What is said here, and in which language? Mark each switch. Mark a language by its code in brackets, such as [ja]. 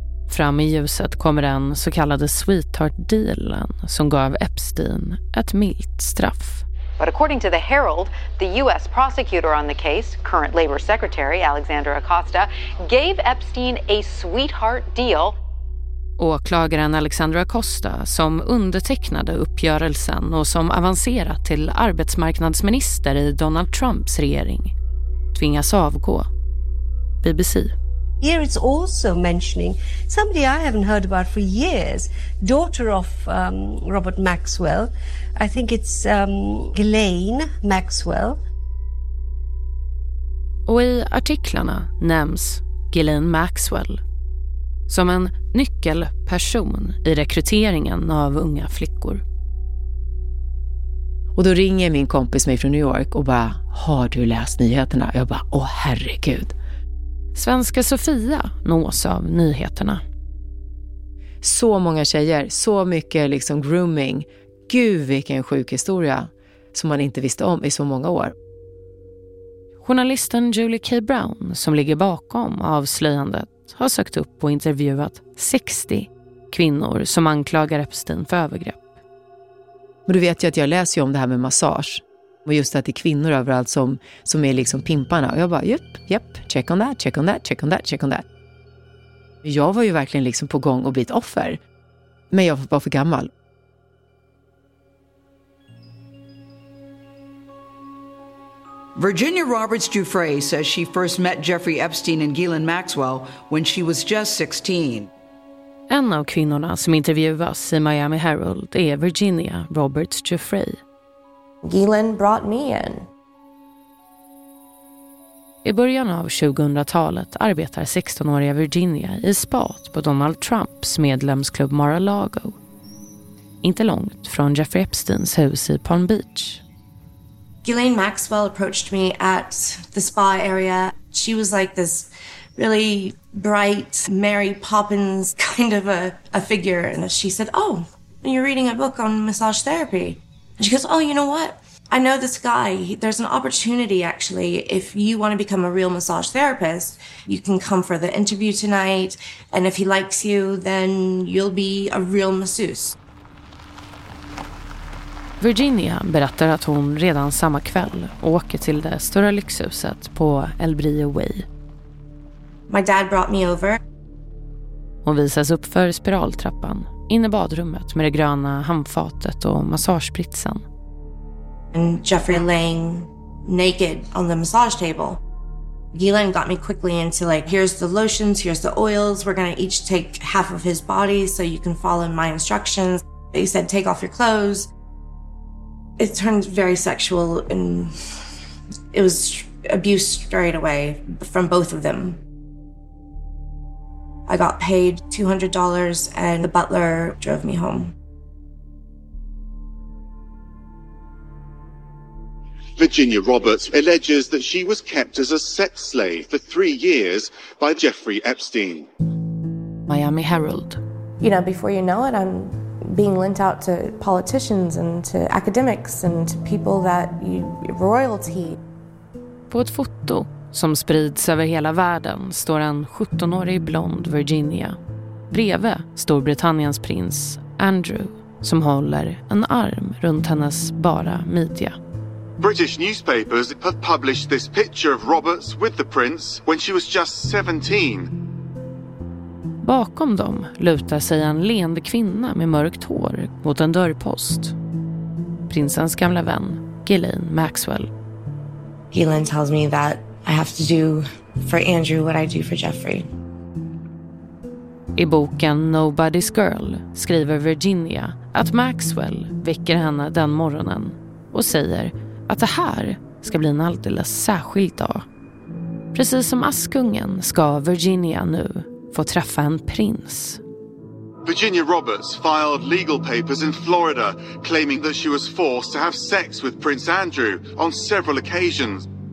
[sv] Fram i ljuset kommer den så kallade sweetheart-dealen som gav Epstein ett milt straff. [en] But according to the Herald, the US prosecutor on the case, current labor secretary Alexandra Acosta, gave Epstein a sweetheart deal. [sv] Åklagaren Alexandra Acosta, som undertecknade uppgörelsen och som avancerat till arbetsmarknadsminister i Donald Trumps regering, tvingas avgå. BBC. [en] Here it's also mentioning somebody I haven't heard about for years, daughter of Robert Maxwell. I think it's Ghislaine Maxwell. [sv] Och i artiklarna nämns Ghislaine Maxwell som en nyckelperson i rekryteringen av unga flickor. Och då ringer min kompis mig från New York och bara, har du läst nyheterna? Jag bara, åh herregud. Svenska Sofia nås av nyheterna. Så många tjejer, så mycket liksom grooming. Gud vilken sjuk historia som man inte visste om i så många år. Journalisten Julie K. Brown som ligger bakom avslöjandet har sökt upp och intervjuat 60 kvinnor som anklagar Epstein för övergrepp. Men du vet ju att jag läser ju om det här med massage. Och just att det är kvinnor överallt som är liksom pimparna. Och jag bara, jupp, [en] check on that, check on that, [sv] check on that, check on that. Jag var ju verkligen liksom på gång att bli ett offer. Men jag var bara för gammal. [en] Virginia Roberts Dufresne says she first met Jeffrey Epstein and Ghislaine Maxwell when she was just 16. [sv] En av kvinnorna som intervjuas i Miami Herald är Virginia Roberts Dufresne. [en] Ghislaine brought me in. [sv] I början av 2000-talet arbetar 16-åriga Virginia i spat på Donald Trumps medlemsklubb Mar-a-Lago. Inte långt från Jeffrey Epsteins hus i Palm Beach. [en] Ghislaine Maxwell approached me at the spa area. She was like this really bright Mary Poppins kind of a figure. And she said, oh, you're reading a book on massage therapy. And she goes, oh, you know what? I know this guy. There's an opportunity, actually. If you want to become a real massage therapist, you can come for the interview tonight. And if he likes you, then you'll be a real masseuse. [sv] Virginia berättar att hon redan samma kväll åker till det stora lyxhuset på El Brio Way. [en] My dad brought me over. [sv] Hon visas upp för spiraltrappan, in i badrummet med det gröna handfatet och massagespritsen. [en] And Jeffrey laying naked on the massage table. Ghislaine got me quickly into like, here's the lotions, here's the oils. We're gonna each take half of his body so you can follow my instructions. He said, take off your clothes. It turned very sexual and it was abuse straight away from both of them. I got paid $200 and the butler drove me home. Virginia Roberts alleges that she was kept as a sex slave for 3 years by Jeffrey Epstein. Miami Herald. You know, before you know it, I'm being lent out to politicians and to academics and to people that you royalty. [sv] På ett foto som sprids över hela världen står en 17-årig blond Virginia bredvid Storbritanniens prins Andrew som håller en arm runt hennes bara midja. [en] British newspapers have published this picture of Roberts with the prince when she was just 17. [sv] Bakom dem lutar sig en leende kvinna med mörkt hår mot en dörrpost. Prinsens gamla vän, Ghislaine Maxwell. [en] Ghislaine tells me that I have to do for Andrew what I do for Jeffrey. [sv] I boken Nobody's Girl skriver Virginia att Maxwell väcker henne den morgonen och säger att det här ska bli en alldeles särskild dag. Precis som Askungen ska Virginia nu få träffa en prins. [en] Virginia Roberts filed legal papers in Florida claiming that she was forced to have sex with Prince Andrew on several occasions.